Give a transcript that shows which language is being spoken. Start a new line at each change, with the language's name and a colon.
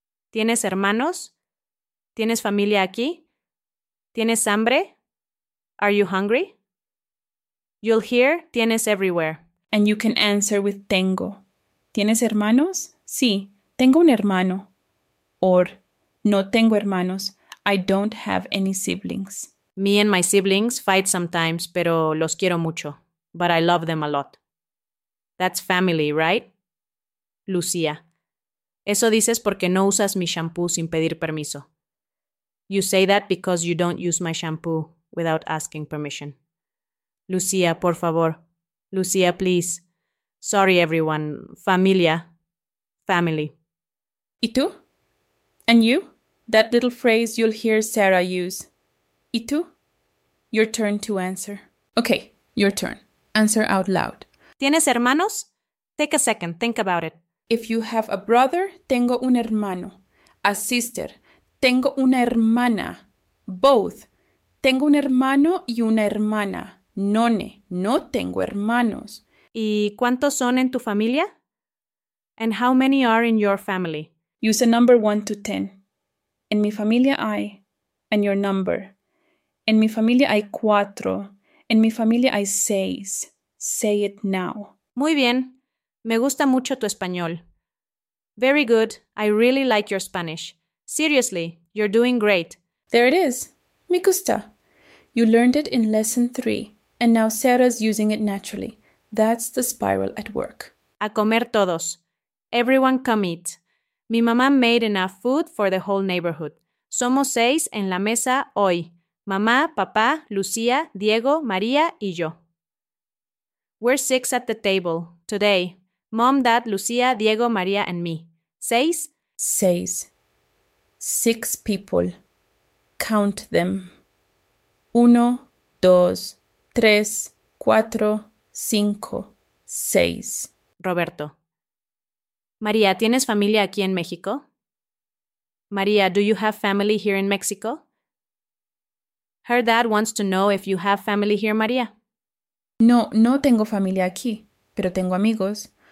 Spanish: ¿Tienes hermanos? ¿Tienes familia aquí? ¿Tienes hambre?
English: Are you hungry? You'll hear tienes everywhere. And you can answer with tengo.
Spanish: ¿Tienes hermanos? Sí, tengo un hermano. Or, no tengo hermanos.
English: I don't have any siblings. Me and my siblings fight sometimes,
Spanish: pero los quiero mucho.
English: But I love them a lot. That's family, right? Lucía.
Spanish: Eso dices porque no usas mi shampoo sin pedir permiso.
English: You say that because you don't use my shampoo without asking permission.
Spanish: Lucía, por favor.
English: Lucía, please. Sorry, everyone. Familia. Family.
Spanish: ¿Y tú?
English: And you? That little phrase you'll hear Sarah use.
Spanish: ¿Y tú?
English: Your turn to answer. Okay, your turn. Answer out loud.
Spanish: ¿Tienes hermanos?
English: Take a second. Think about it. If you have a brother,
Spanish: tengo un hermano.
English: A sister,
Spanish: tengo una hermana.
English: Both.
Spanish: Tengo un hermano y una hermana.
English: None.
Spanish: No tengo hermanos. ¿Y cuántos son en tu familia?
English: And how many are in your family? Use a number 1 to 10.
Spanish: En mi familia hay.
English: And your number.
Spanish: En mi familia hay 4. En mi familia hay 6.
English: Say it now.
Spanish: Muy bien. Me gusta mucho tu español.
English: Very good. I really like your Spanish. Seriously, you're doing great. There it is. Me gusta. You learned it in lesson 3, and now Sarah's using it naturally. That's the spiral at work.
Spanish: A comer todos.
English: Everyone come eat.
Spanish: Mi mamá
English: made enough food for the whole neighborhood.
Spanish: Somos 6 en la mesa hoy. Mamá, papá, Lucía, Diego, María y yo.
English: We're 6 at the table today. Mom, Dad, Lucía, Diego, María and me. 6? 6. 6 people. Count them. 1, 2, 3, 4, 5, 6. Roberto.
Spanish: María, ¿tienes familia aquí en México?
English: María, do you have family here in Mexico? Her dad wants to know if you have family here, María.
Spanish: No, no tengo familia aquí, pero tengo amigos.